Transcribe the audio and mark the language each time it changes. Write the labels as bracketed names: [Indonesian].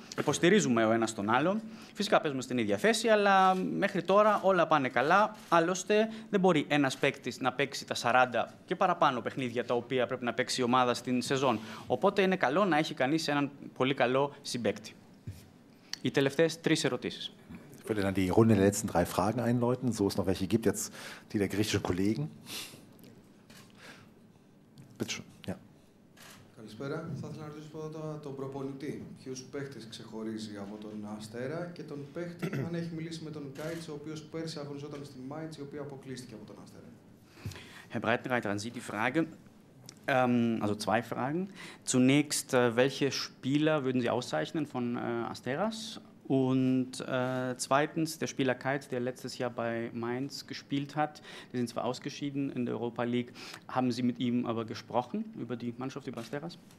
[Greek] Υποστηρίζουμε ο ένας τον άλλον. Φυσικά παίζουμε στην ίδια θέση, αλλά μέχρι τώρα όλα πάνε καλά. Άλλωστε, δεν μπορεί ένας παίκτης να παίξει τα 40 και παραπάνω παιχνίδια τα οποία πρέπει να παίξει η ομάδα στην σεζόν. Οπότε είναι καλό να έχει κανείς έναν πολύ καλό συμπαίκτη. Οι τελευταίες τρεις ερωτήσεις. [German] Würde dann die Runde der letzten drei Fragen einläuten, so es noch welche gibt, jetzt die der griechischen Kollegen. Bitte schön. [Greek] Καλησπέρα. Θα ήθελα να ρωτήσω πρώτα τον προπονητή. Ποιους παίχτες ξεχωρίζει από τον Αστέρα και τον παίχτη, αν έχει μιλήσει με τον Κάιτς, ο οποίος πέρσι αγωνιζόταν στη Μάιντς, η οποία αποκλείστηκε από τον Αστέρα. [German] Herr Breitenreiter, an Sie die Frage. Also zwei Fragen. Zunächst, welche Spieler würden Sie auszeichnen von Asteras? Und zweitens, der Spieler Keitz, der letztes Jahr bei Mainz gespielt hat, die sind zwar ausgeschieden in der Europa League, haben Sie mit ihm aber gesprochen über die Mannschaft, über Asteras?